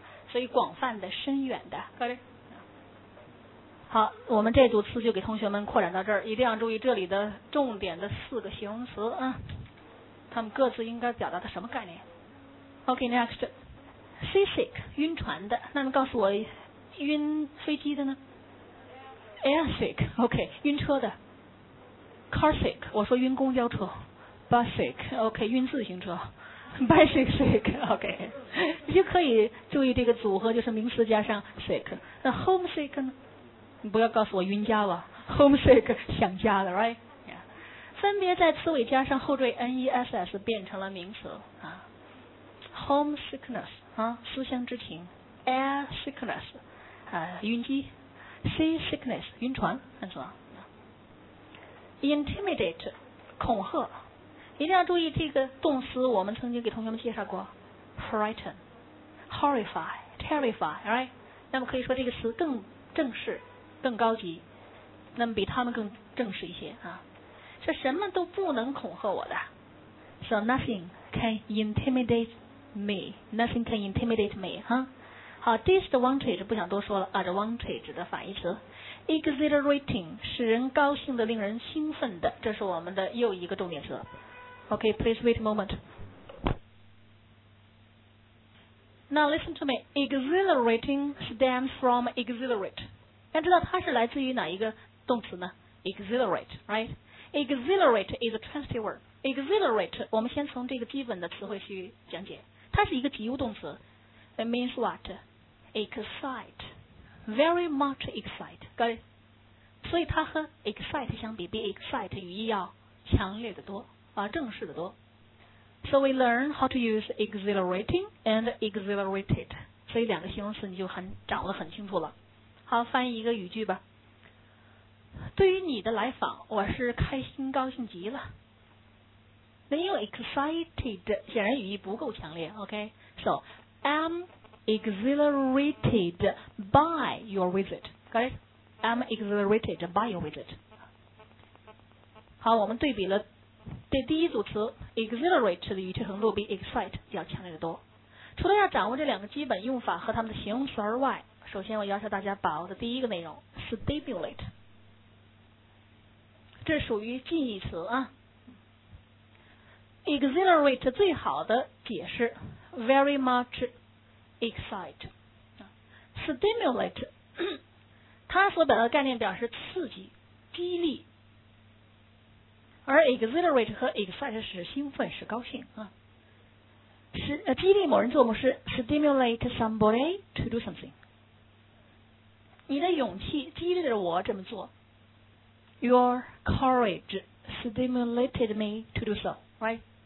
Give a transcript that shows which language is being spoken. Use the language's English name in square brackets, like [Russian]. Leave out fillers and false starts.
[Chinese] 所以广泛的、深远的，可以。好，我们这组词就给同学们扩展到这儿，一定要注意这里的重点的四个形容词啊。他们各自应该表达的什么概念 ？ [English] OK, next, [Chinese] seasick, 晕船的。那么告诉我，晕飞机的呢 ？Airsick, OK, 晕车的。 Carsick, 我说晕公交车。 Busick, OK, 晕自行车。 Bicycle sick, OK, 你就可以注意这个组合，就是名词加上 sick。那 homesick 呢？你不要告诉我晕家吧。 Homesick, 想家的 ，right？分别在词尾加上后缀 ness 变成了名词啊 ，homesickness 啊，思乡之情 ，air sickness 啊，晕机 ，sea sickness 晕船，看错了 ，intimidate 恐吓，一定要注意这个动词，我们曾经给同学们介绍过 ，frighten， horrify， terrify， right？那么可以说这个词更正式、更高级，那么比他们更正式一些啊。这什么都不能恐吓我的 ， [English] so nothing can intimidate me. Nothing can intimidate me. [Chinese] 哈、好 ，disadvantage 不想多说了 ，advantage 的反义词 ，exhilarating 使人高兴的、令人兴奋的，这是我们的又一个重点词。 [English] Okay, please wait a moment. Now listen to me. Exhilarating stems from exhilarate. [Chinese] 要知道它是来自于哪一个动词呢 ？ [English] Exhilarate, right? Exhilarate is a transitive word. [Chinese] Exhilarate, 我们先从这个基本的词汇去讲解。它是一个及物动词。 [English] It means what? Excite. Very much excite. Got it? [Chinese] 所以它和 excite 相比，比 excite 语义要强烈的多，正式的多。 [English] So we learn how to use exhilarating and exhilarated. [Chinese] 所以两个形容词你就很掌握得很清楚了。好，翻译一个语句吧。对于你的来访，我是开心高兴极了。那用 excited 显然语义不够强烈 ，OK？ [English] So I'm exhilarated by your visit. Got it? I'm exhilarated by your visit. [Chinese] 好，我们对比了这第一组词 exhilarate 的语气程度比 excite 要强烈的多。除了要掌握这两个基本用法和它们的形容词而外，首先我要求大家把握的第一个内容 stimulate。这属于近义词啊。 Exhilarate 最好的解释 ，very much excite。 Stimulate 它所表达的概念表示刺激、激励，而 exhilarate 和 excite 是兴奋、是高兴啊。激励某人做某事 ， [English] stimulate somebody to do something。 [Chinese] 你的勇气激励着我这么做。 [English] Your courage stimulated me to do so, right?